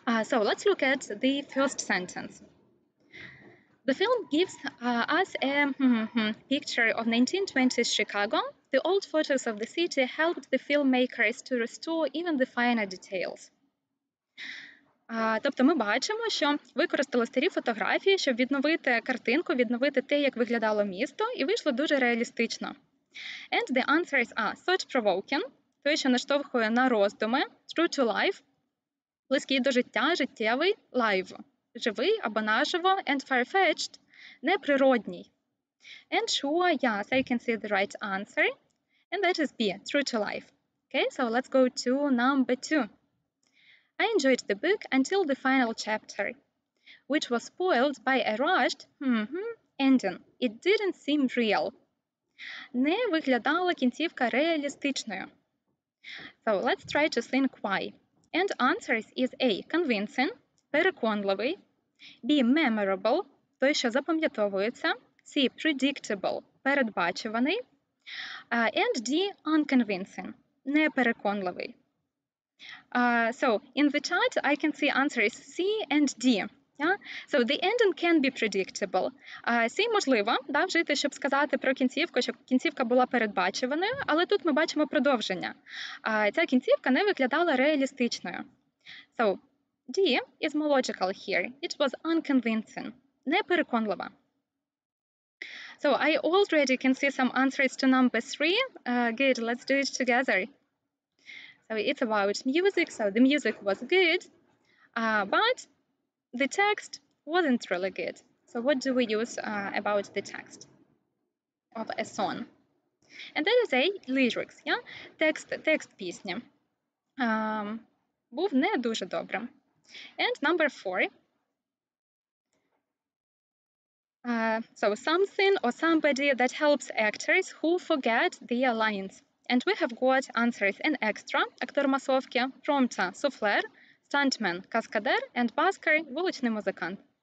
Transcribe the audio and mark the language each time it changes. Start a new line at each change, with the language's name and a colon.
English: So let's look at the first sentence. The film gives us a picture of 1920s Chicago. The old photos of the city helped the filmmakers to restore even the finer details.
Ukrainian: Тобто ми бачимо, що використали старі фотографії, щоб відновити картинку, відновити те, як виглядало місто, і вийшло дуже реалістично.
English: And the answers are thought-provoking,
Ukrainian: той, що наштовхує на роздуми,
English: true to life,
Ukrainian: близький до життя, життєвий,
English: live,
Ukrainian: живий або наживо,
English: and far-fetched, неприродній. And sure, yes, I can see the right answer. And that is B, true to life. Okay, so let's go to number two. I enjoyed the book until the final chapter, which was spoiled by a rushed ending. It didn't seem real.
Ukrainian: Не виглядала кінцівка реалістичною.
English: So let's try to think why. And answers is A, convincing, переконливий, B, memorable,
Ukrainian: той, що запам'ятовується,
English: C, predictable, передбачуваний, and D, unconvincing, непереконливий. So in the chat I can see answers C and D. Yeah? So the ending can be predictable.
Ukrainian: C, можливо, да, вжити, щоб сказати про кінцівку, щоб кінцівка була передбачуваною, але тут ми бачимо продовження. Ця кінцівка не виглядала реалістичною.
English: So D is more logical here. It was unconvincing. Непереконлива. So I already can see some answers to number 3. Good, let's do it together. So it's about music, so the music was good, but the text wasn't really good. So what do we use about the text of a song? And that is a lyrics, yeah?
Ukrainian: Текст пісні був не дуже добрим.
English: And number 4. So something or somebody that helps actors who forget their lines. And we have got answers in extra,
Ukrainian: актор масовки,
English: промта, суфлер, стантмен, каскадер, and баскер,
Ukrainian: вуличний музикант.